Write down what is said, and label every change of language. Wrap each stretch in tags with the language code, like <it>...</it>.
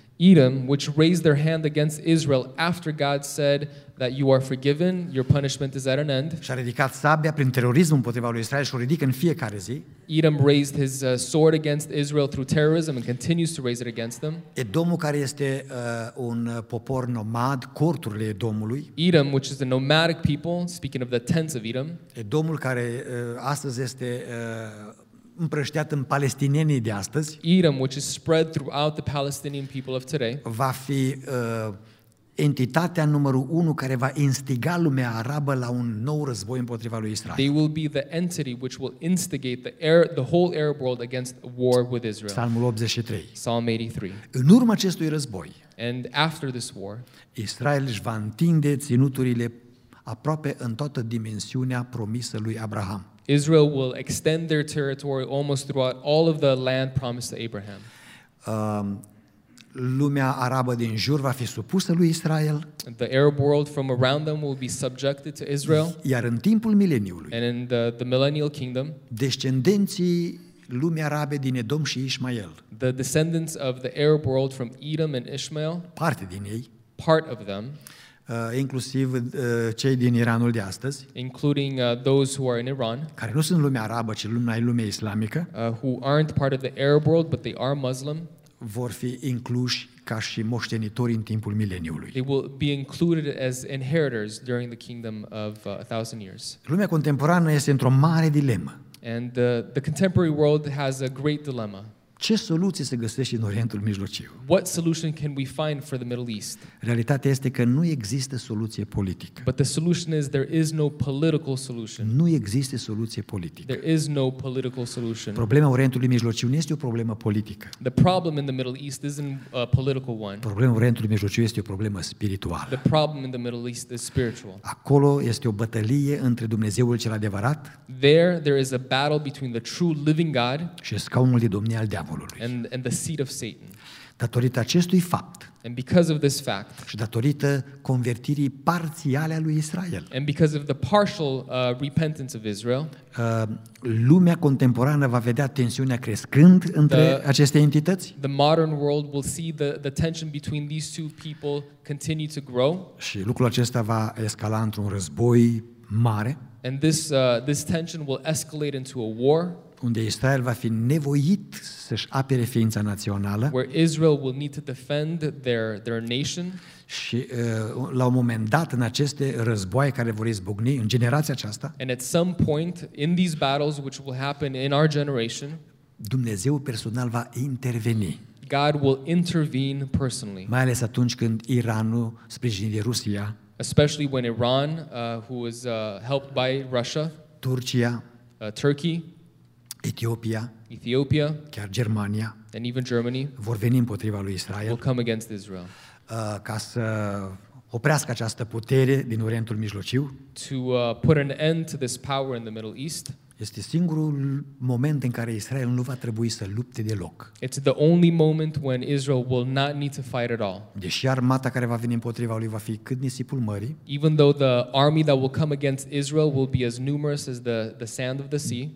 <en>Edom, which raised their hand against Israel after God said that you are forgiven, your punishment is at an end.</en> <ro>Și a ridicat sabia prin terorism împotriva lui Israel și o ridică în fiecare zi.</ro> <en>Edom raised his sword against Israel through terrorism and continues to raise it against them.</en> <ro>Edomul, care este un popor nomad, corturile Edomului.</ro> <en>Edom, which is a nomadic people, speaking of the tents of Edom.</en> <ro>Edomul, care astăzi este împrăștiat în palestinienii de astăzi.</ro> <en>Edom, which is spread throughout the Palestinian people of today.</en> <ro>Va fi entitatea numărul 1 care va instiga lumea arabă la un nou război împotriva lui Israel.</ro> <en>They will be the entity which will instigate the whole Arab world against war with Israel.</en> <ro>Psalmul 83.</ro> <en>Psalm 83.</en> <ro>În urma acestui război,</ro> <en>and after this war,</en> <ro>Israel își va întinde ținuturile aproape în toată dimensiunea promisă lui Abraham.</ro> <en>Israel will extend their territory almost throughout all of the land promised to Abraham.</en> <ro>Lumea arabă din jur va fi supusă lui Israel.</ro> <en>The Arab world from around them will be subjected to Israel.</en> <ro>Iar în timpul mileniului.</ro> <en>And in the millennial kingdom.</en> <ro>Descendenții lumii arabe din Edom și Ismael.</ro> <en>The descendants of the Arab world from Edom and Ishmael.</en> <ro>Parte din ei.</ro> <en>Part of them.</en> <ro>Inclusiv cei din Iranul de astăzi,</ro> <en>including those who are in Iran,</en> <ro>care nu sunt lumea arabă, ci lumea islamică,</ro> <en>who aren't part of the Arab world, but they are Muslim,</en> <ro>vor fi incluși ca și moștenitori în timpul mileniului.</ro> <en>They will be included as inheritors during the kingdom of 1,000 years.</en> <ro>Lumea contemporană este într-o mare dilemă.</ro> <en>And the contemporary world has a great dilemma.</en> <ro>Ce soluție se găsește în Orientul Mijlociu?</ro> <en>What solution can we find for the Middle East?</en> <ro>Realitatea este că nu există soluție politică.</ro> <en>But the solution is there is no political solution.</en> <ro>Nu există soluție politică.</ro> <en>There is no political solution.</en> <ro>Problema Orientului Mijlociu nu este o problemă politică.</ro> <en>The problem in the Middle East isn't a political one.</en> <ro>Problema Orientului Mijlociu este o problemă spirituală.</ro> <en>The problem in the Middle East is spiritual.</en> <ro>Acolo este o bătălie între Dumnezeul cel adevărat.</ro> <en>There is a battle between the true living God.</en> <ro>Și scaunul de domnie al</ro> <en>And the seat of Satan.</en> <ro>Datorită acestui fapt.</ro> <en>And because of this fact.</en> <ro>Și datorită convertirii parțiale a lui Israel.</ro> <en>And because of the partial repentance of Israel.</en> <ro>Lumea contemporană va vedea tensiunea crescând între aceste entități.</ro> <en>The modern world will see the tension between these two people continue to grow.</en> <ro>Și lucrul acesta va escala într-un război mare.</ro> <en>And this tension will escalate into a war.</en> <ro>Unde Israel va fi nevoit să-și apere ființa națională.</ro> <en>Where Israel will need to defend their nation.</en> <ro>Și la un moment dat în aceste războaie care vor izbucni în generația aceasta.</ro> <en>And at some point in these battles which will happen in our generation,</en> <ro>Dumnezeu personal va interveni.</ro> <en>God will intervene personally.</en> <ro>Mai ales atunci când Iranul sprijinit de Rusia,</ro> <en>especially when Iran who was helped by Russia,</en> <ro>Turcia,</ro> <en>Turkey,</en> <ro>Etiopia, chiar Germania,</ro> <en>and even Germany,</en> <ro>vor veni împotriva lui Israel,</ro> <en>will come against Israel.</en> <ro>Ca să oprească această putere din Orientul Mijlociu,</ro> <en>to put an end to this power in the Middle East,</en> <ro>este singurul moment în care Israel nu va trebui să lupte deloc.</ro> <en>It's the only moment when Israel will not need to fight at all.</en> <ro>Deși armata care va veni împotriva lui va fi cât nisipul mării,</ro> <en>even though the army that will come against Israel will be as numerous as the sand of the sea,</en>